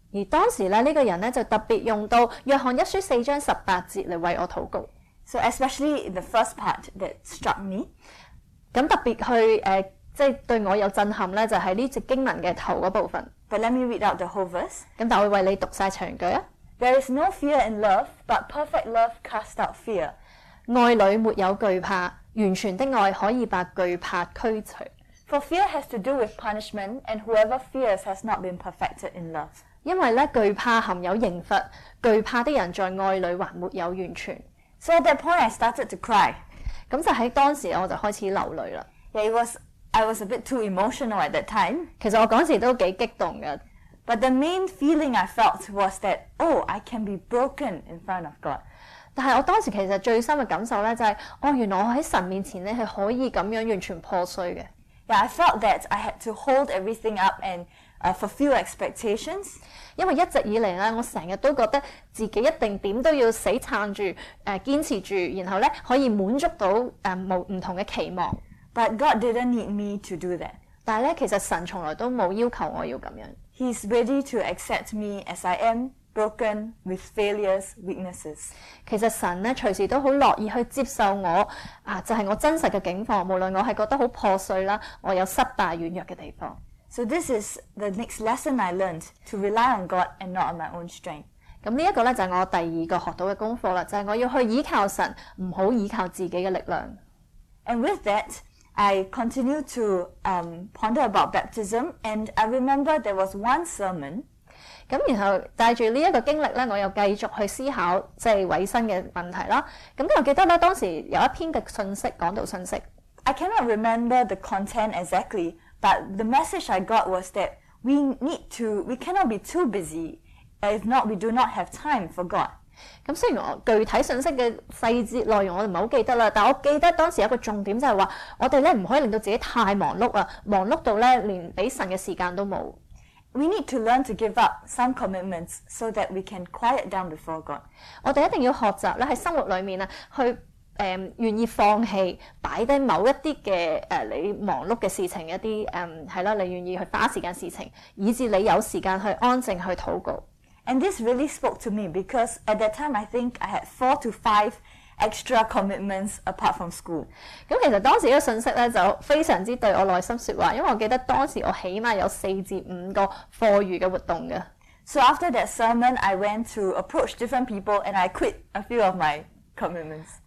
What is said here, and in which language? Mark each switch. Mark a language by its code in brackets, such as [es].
[yue] 而當時咧呢個人咧就特別用到約翰一書四章十八節嚟為我禱告。 [en] So especially in the first part that struck me. [yue] 咁特別去即係對我有震撼咧，就係呢節經文嘅頭嗰部分。 [en] But let me read out the whole verse. [yue] 咁但我會為你讀曬長句啊。 [en] There is no fear in love, but perfect love casts out fear. [yue] 愛裡沒有懼怕，完全的愛可以把懼怕驅除。 [en] For fear has to do with punishment, and whoever fears has not been perfected in love. [yue] 因為咧懼怕含有刑罰，懼怕的人在愛裡還沒有完全。 [en] So at that point, I started to cry. [yue] 咁就喺當時我就開始流淚啦。 [en] Yeah, I was a bit too emotional at that time. [yue] 其實我嗰時都幾激動嘅。 [en] But the main feeling I felt was that, oh, I can be broken in front of God. [yue] 但係我當時其實最深嘅感受咧，就係，哦，原來我喺神面前咧係可以咁樣完全破碎嘅。 [en] Yeah, I felt that I had to hold everything up and fulfill expectations. [yue] 因為一直以嚟咧，我成日都覺得自己一定點都要死撐住，堅持住，然後咧可以滿足到唔同嘅期望。 [en] But God didn't need me to do that. [yue] 但咧，其實神從來都冇要求我要咁樣。 [en] He's ready to accept me as I am, broken with failures, weaknesses. [yue] 其實神咧，隨時都好樂意去接受我啊，就係我真實嘅境況。無論我係覺得好破碎啦，我有失敗軟弱嘅地方。 [en] So this is the next lesson I learned to rely on God and not on my own strength. [yue] 咁呢一個咧就係我第二個學到嘅功課啦，就係我要去倚靠神，唔好倚靠自己嘅力量。 [en] And with that, I continue to ponder about baptism, and I remember there was one sermon. [yue] 咁然後帶住呢一個經歷咧，我又繼續去思考即係委身嘅問題啦。咁我記得咧，當時有一篇嘅信息講到信息。 [en] I cannot remember the content exactly, but the message I got was that we cannot be too busy. If not, we do not have time for God. [yue] 咁雖然我具體信息嘅細節內容我唔係好記得啦，但我記得當時有一個重點就係話，我哋咧唔可以令到自己太忙碌啊，忙碌到咧連俾神嘅時間都冇。 [en] We need to learn to give up some commitments so that we can quiet down before God. [yue] 我哋一定要學習咧喺生活裡面啊，去願意放棄擺低某一啲嘅你忙碌嘅事情一啲係啦，你願意去花時間事情，以至你有時間去安靜去禱告。 [en] And this really spoke to me because at that time I think I had 4 to 5 extra commitments apart from school. [yue] 咁其實當時呢個信息咧就非常之對我內心説話，因為我記得當時我起碼有4至5個課餘嘅活動嘅。 [en] So after that sermon, I went to approach different people and I quit a few of my commitments.